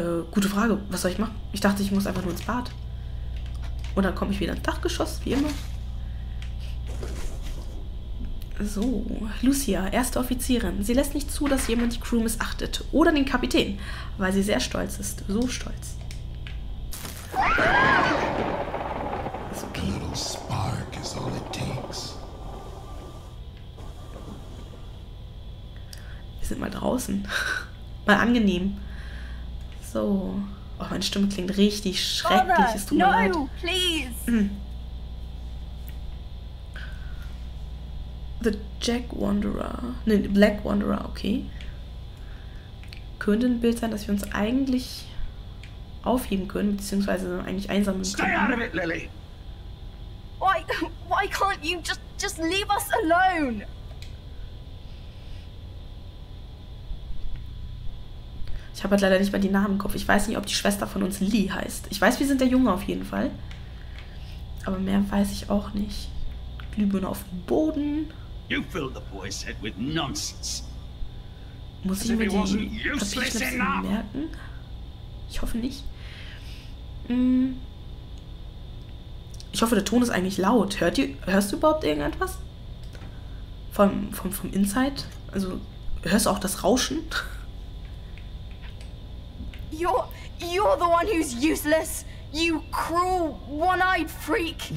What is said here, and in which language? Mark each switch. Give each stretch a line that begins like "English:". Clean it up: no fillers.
German: Gute Frage. Was soll ich machen? Ich dachte, ich muss einfach nur ins Bad. Und dann komme ich wieder ins Dachgeschoss, wie immer. So, Lucia, erste Offizierin. Sie lässt nicht zu, dass jemand die Crew missachtet. Oder den Kapitän, weil sie sehr stolz ist. So stolz.
English: It's okay. A little spark is all it takes.
German: Wir sind mal draußen. Mal angenehm. So. Oh, meine Stimme klingt richtig schrecklich. Es tut mir leid.
English: No, please.
German: The Jack Wanderer. Nein, Black Wanderer, okay. Könnte ein Bild sein, dass wir uns eigentlich aufheben können, beziehungsweise eigentlich einsammeln können.
English: Stay out of it, Lily. Why can't you just leave us alone?
German: Ich habe halt leider nicht mal die Namen im Kopf. Ich weiß nicht, ob die Schwester von uns Lee heißt. Ich weiß, wir sind der Junge auf jeden Fall. Aber mehr weiß ich auch nicht. Glühbirne auf dem Boden.
English: You fill the boy's head with nonsense.
German: Muss ich mir die Papierschnipsel merken? Ich hoffe nicht. Ich hoffe, der Ton ist eigentlich laut. Hörst du überhaupt irgendetwas? Vom Inside? Also, hörst du auch das Rauschen?
English: You're the one who's useless. You cruel, one-eyed freak.